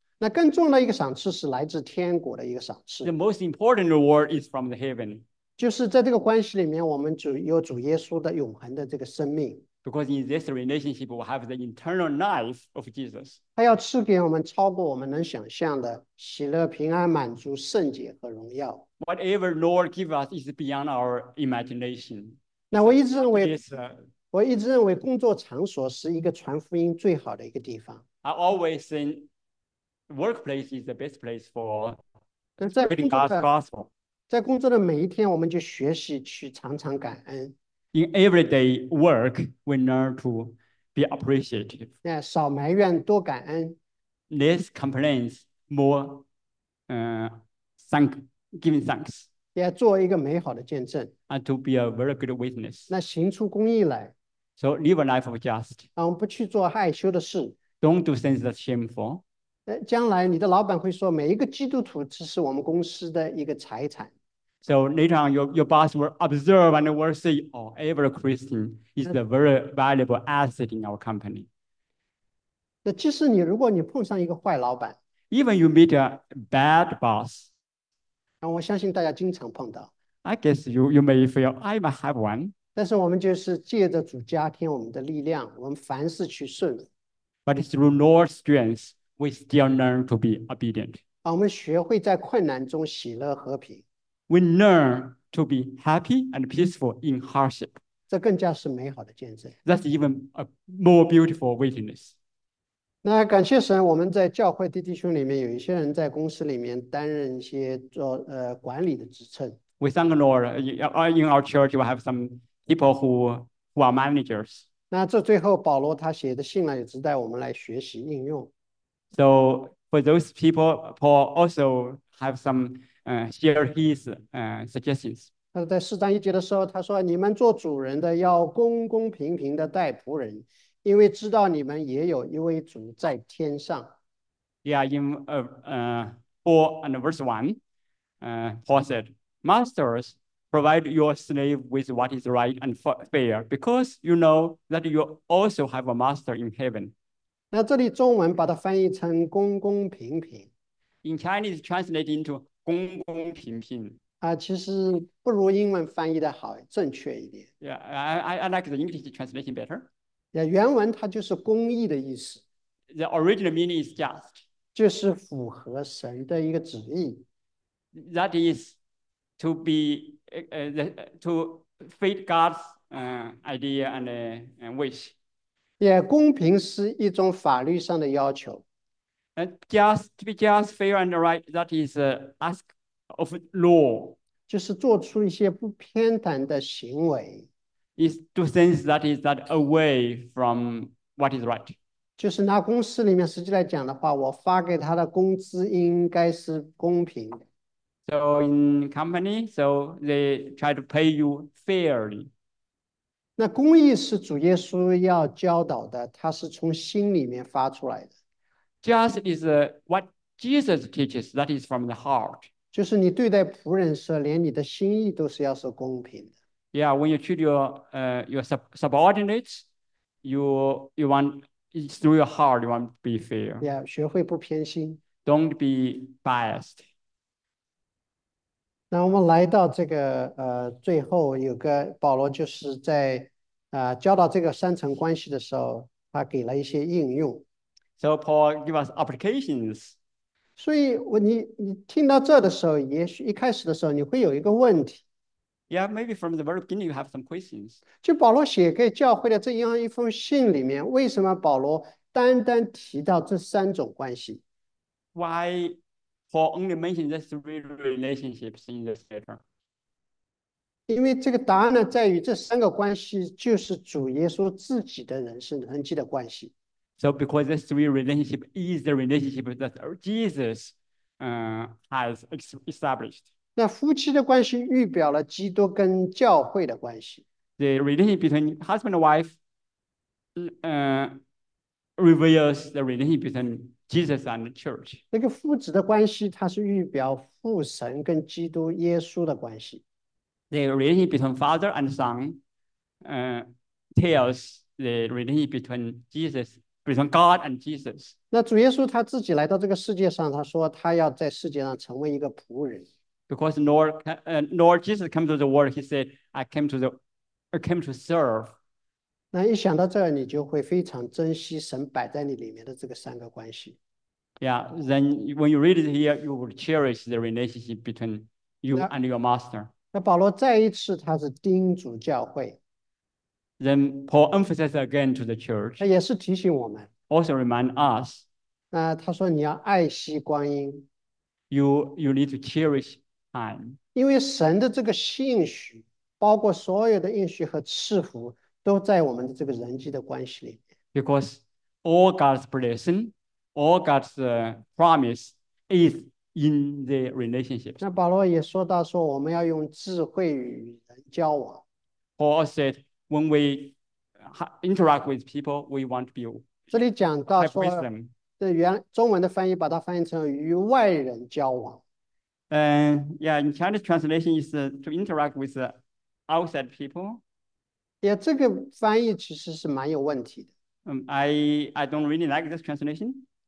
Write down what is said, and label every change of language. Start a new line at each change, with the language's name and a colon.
Chinese: 那更重要的一个赏赐是来自天国的一个赏赐。
English: The most important reward is from the heaven.
Chinese: 就是在这个关系里面，我们主有主耶稣的永恒的这个生命。
English: Because in this relationship, we have the internal life of Jesus.
Chinese: 他要赐给我们超过我们能想象的喜乐、平安、满足、圣洁和荣耀。
English: Whatever Lord give us is beyond our imagination.
Chinese: 那我一直认为，我一直认为工作场所是一个传福音最好的一个地方。
English: I always think workplace is the best place for spreading
Chinese: 在
English: God's gospel.
Chinese: 在工作的每一天，我们就学习去常常感恩。
English: In everyday work, we learn to be appreciative.
Chinese: 少埋怨，多感恩。
English: Less complaints, more, giving thanks.
Chinese: 做一个美好的见证。
English: And to be a very good witness.
Chinese: 那行出公义来。
English: So live a life of just.
Chinese: 我们不去做害羞的事。
English: Don't do things that are shameful.
Chinese: 将来你的老板会说，每一个基督徒只是我们公司的一个财产。
English: So later on, your boss will observe and will say, oh, every Christian is a very valuable asset in our company.
Chinese: 那即使你，如果你碰上一个坏老板，
English: Even you meet a bad boss,
Chinese: 我相信大家经常碰到。
English: I guess you may feel I might have one.
Chinese: 但是我们就是借着主加添我们的力量，我们凡事去顺。
English: But through Lord's strength, we still learn to be obedient.
Chinese: 我们学会在困难中喜乐和平。
English: We learn to be happy and peaceful in hardship.
Chinese: 这更加是美好的见证。
English: That's even a more beautiful witness.
Chinese: 那感谢神，我们在教会的弟兄里面，有一些人在公司里面担任一些做管理的职称。
English: We thank the Lord. In our church, we have some people who are managers.
Chinese: 那这最后保罗他写的信呢，也值得我们来学习应用。
English: So for those people, Paul also have some. Share his suggestions.
Chinese: 他在四章一节的时候，他说：“你们做主人的要公公平平的待仆人，因为知道你们也有一位主在天上。”
English: Yeah, in 4 and verse 1, Paul said, "Masters, provide your slave with what is right and fair, because you know that you also have a master in heaven."
Chinese: 那这里中文把它翻译成“公公平平
English: ”，In Chinese, translate into
Chinese: 公公平平其实不如英文翻译的好，正确一点。
English: Yeah, I like the English translation better.
Chinese: Yeah, 原文它就是公义的意思。
English: The original meaning is just.
Chinese: 就是符合神的一个旨意。
English: That is to be to fit God's idea and wish.
Chinese: Yeah, 公平是一种法律上的要求。
English: And just to be just, fair, and right, that is ask of law.
Chinese: 就是做出一些不偏袒的行为。
English: Is do things that is that away from what is right.
Chinese: 就是拿公司里面实际来讲的话，我发给他的工资应该是公平的。
English: So in company, so they try to pay you fairly.
Chinese: 那公义是主耶稣要教导的，它是从心里面发出来的。
English: Just is what Jesus teaches, that is from the heart.
Chinese: 就是你对待仆人时，连你的心意都是要是公平的。
English: Yeah, when you treat your subordinates, you want through your heart, you want to be fair.
Chinese: Yeah, 学会不偏心。
English: Don't be biased.
Chinese: 那我们来到这个最后有个保罗就是在教导这个三层关系的时候，他给了一些应用。
English: So Paul give us applications.
Chinese: 所以你听到这的时候，也许一开始的时候你会有一个问题。
English: Yeah, maybe from the very beginning you have some questions.
Chinese: 就保罗写给教会的这样一封信里面，为什么保罗单单提到这三种关系
English: ？Why Paul only mentioned these three relationships in this letter?
Chinese: 因为这个答案呢，在于这三个关系就是主耶稣自己的人是人际的关系。
English: So because this three relationship is the relationship that Jesus has established.
Chinese: 那夫妻的关系预表了基督跟教会的关系。
English: the relationship between husband and wife reveals the relationship between Jesus and the church.
Chinese: 那个父子的关系，它是预表父神跟基督耶稣的关系。
English: The relationship between father and son, tells the relationship between Jesus, between God and Jesus.
Chinese: 那主耶稣他自己来到这个世界上，他说他要在世界上成为一个仆人。
English: Because nor Jesus came to the world, he said, I came to serve.
Chinese: 那一想到这儿，你就会非常珍惜神摆在你里面的这个三个关系。
English: Yeah, then when you read it here, you will cherish the relationship between you and your master.
Chinese: 那保罗再一次他是叮嘱教会。
English: Then Paul emphasized again to the church.
Chinese: 他也是提醒我们。
English: Also remind us.
Chinese: 那他说你要爱惜光阴。
English: You need to cherish time.
Chinese: 因为神的这个应许，包括所有的应许和赐福，都在我们的这个人际的关系里。
English: Because all God's blessing, all God's promise is in the relationships.
Chinese: 那保罗也说到说，我们要用智慧与人交往。
English: Paul said, when we interact with people, we want to be.
Chinese: 这里讲到说，这原中文的翻译把它翻译成与外人交往。
English: Yeah, in Chinese translation is to interact with outside people.
Chinese: Yeah, 这个翻译其实是蛮有问题的。
English: I don't really like this translation.